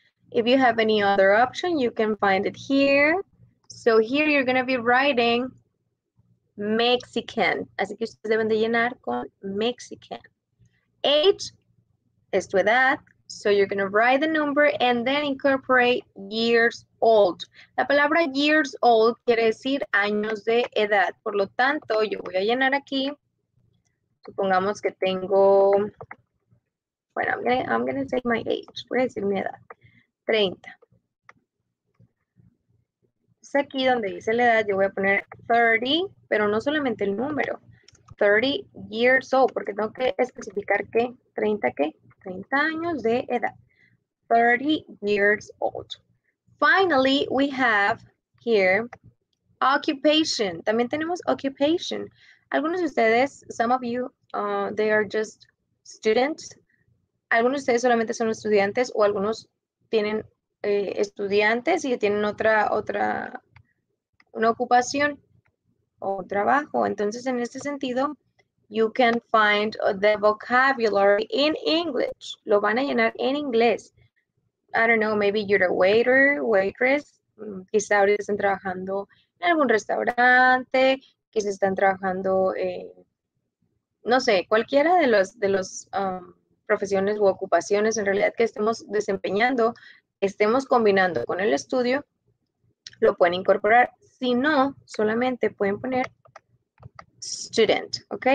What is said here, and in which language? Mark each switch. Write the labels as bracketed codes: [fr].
[en] If you have any other option, you can find it here. So here you're going to be writing Mexican. [es] Así que ustedes deben de llenar con Mexican. Age es tu edad. [en] So you're going to write the number and then incorporate years old. [es] La palabra years old quiere decir años de edad. Por lo tanto, yo voy a llenar aquí. Supongamos que tengo, bueno, [en] I'm going to say my age. [es] Voy a decir mi edad. 30. Entonces aquí donde dice la edad, yo voy a poner 30, pero no solamente el número. 30 years old, porque tengo que especificar que 30 qué. 30 años de edad. 30 years old. [en] Finally, we have here occupation. [es] También tenemos occupation. Algunos de ustedes, [en] some of you, they are just students. [es] Algunos de ustedes solamente son estudiantes o algunos tienen estudiantes y tienen una ocupación o trabajo. Entonces, en este sentido, [en] you can find the vocabulary in English. [es] Lo van a llenar en inglés. [en] I don't know, maybe you're a waiter, waitress. [es] Quizá ahorita están trabajando en algún restaurante. Quizá están trabajando, no sé, cualquiera de los profesiones u ocupaciones en realidad que estemos desempeñando, estemos combinando con el estudio, lo pueden incorporar. Si no, solamente pueden poner student, ¿ok?